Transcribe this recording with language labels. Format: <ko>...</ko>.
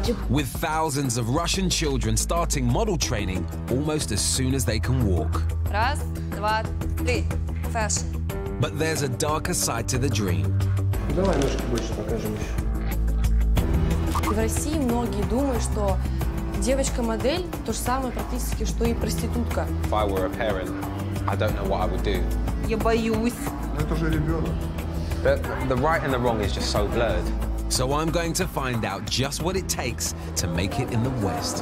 <en>With thousands of Russian children starting model training almost as soon as they can walk.</en> <ru>Раз, два, три. Fashion.</ru> <en>But there's a darker side to the dream.</en> <ru>Давай немножко больше покажем еще. В России многие думают, что девочка-модель то же самое практически, что и проститутка.</ru> <en>If I were a parent, I don't know what I would do.</en> <ru>Я боюсь. Но это же ребенок.</ru> <en>The right and the wrong is just so blurred. So I'm going to find out just what it takes to make it in the West.</en>